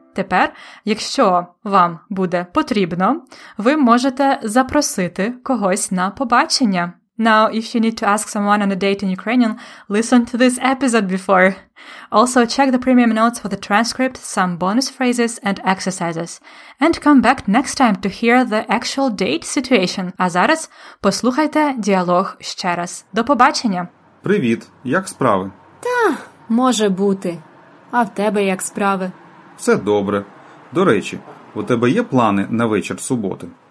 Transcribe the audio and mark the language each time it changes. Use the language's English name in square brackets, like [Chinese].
[Ukrainian] Тепер, якщо вам буде потрібно, ви можете запросити когось на побачення. [English] Now, if you need to ask someone on a date in Ukrainian, listen to this episode before. Also, check the premium notes for the transcript, some bonus phrases and exercises. And come back next time to hear the actual date situation. [Ukrainian] А зараз послухайте діалог ще раз. До побачення! Привіт! Як справи? Та, може бути. А в тебе як справи? Все добре. До речі, у тебе є плани на вечір суботи?